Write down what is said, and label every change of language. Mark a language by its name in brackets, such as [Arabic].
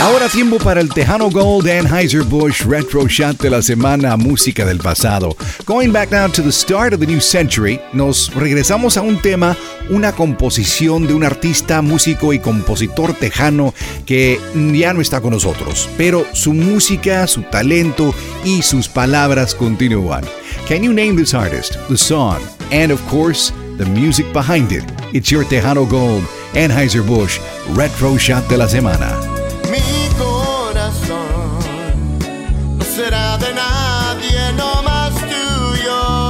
[Spanish] Ahora tiempo para el Tejano Gold Anheuser-Busch Retro Shot de la semana, música del pasado. [English] Going back now to the start of the new century, [Spanish] nos regresamos a un tema, una composición de un artista, músico y compositor tejano que ya no está con nosotros, pero su música, su talento y sus palabras continúan. [English] Can you name this artist, the song, and of course, the music behind it? It's your Tejano Gold, Anheuser-Busch, Retro Shot de la Semana. [Spanish] Mi corazón no será de nadie, no más tuyo.